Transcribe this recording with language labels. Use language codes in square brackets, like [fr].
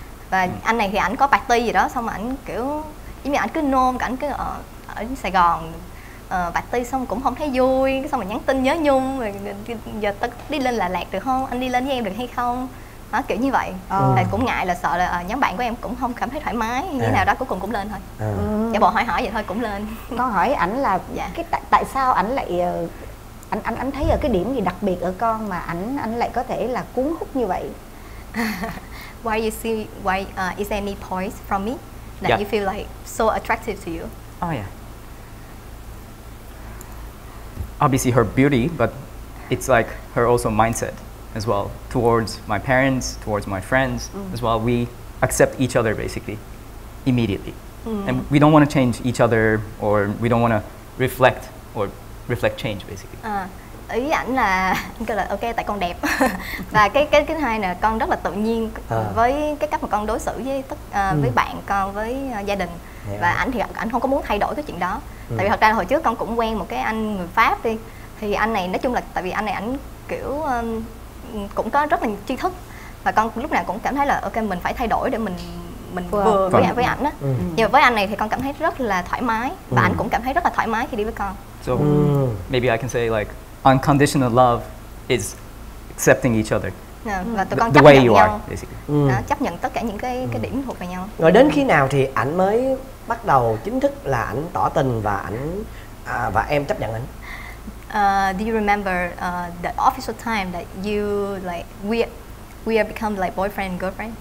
[vi] Và anh này thì ảnh có party gì đó, xong mà ảnh kiểu giống như ảnh cứ nôn, ảnh cứ ở Sài Gòn party xong cũng không thấy vui, xong mà nhắn tin nhớ nhung, rồi giờ tất đi lên Đà Lạt được không, anh đi lên với em được hay không, nó kiểu như vậy. Thì cũng ngại là sợ là nhóm bạn của em cũng không cảm thấy thoải mái như thế nào đó, cuối cùng cũng lên thôi. Giả bộ hỏi vậy thôi cũng lên. Con hỏi ảnh là cái tại sao ảnh lại anh thấy ở cái điểm gì đặc biệt ở con mà anh lại có thể là cuốn hút như vậy. [en] Why you see why is there any points from me that you feel like so attractive to you? Oh yeah. Obviously her beauty, but it's like her also mindset as well, towards my parents, towards my friends as well. We accept each other basically immediately. And we don't want to change each other, or we don't want to reflect change basically. [vi] Ý ảnh là anh kêu là ok tại con đẹp. Và cái hai nè, con rất là tự nhiên với cái cách mà con đối xử với với bạn con, với gia đình. Và ảnh thì ảnh không có muốn thay đổi cái chuyện đó. Tại vì thật ra là hồi trước con cũng quen một cái anh người Pháp đi, thì anh này nói chung là tại vì anh này ảnh kiểu cũng có rất là tri thức, và con lúc nào cũng cảm thấy là ok mình phải thay đổi để mình vừa với ảnh đó. Nhưng mà với anh này thì con cảm thấy rất là thoải mái, và anh cũng cảm thấy rất là thoải mái khi đi với con. [en] So maybe I can say like unconditional love is accepting each other. [vi] Và tụi con chấp nhận nhau. Chấp nhận tất cả những cái điểm thuộc về nhau. Rồi đến khi nào thì ảnh mới bắt đầu chính thức là ảnh tỏ tình và và em chấp nhận ảnh? [en] Do you remember the official time that you like we have become like boyfriend and girlfriend?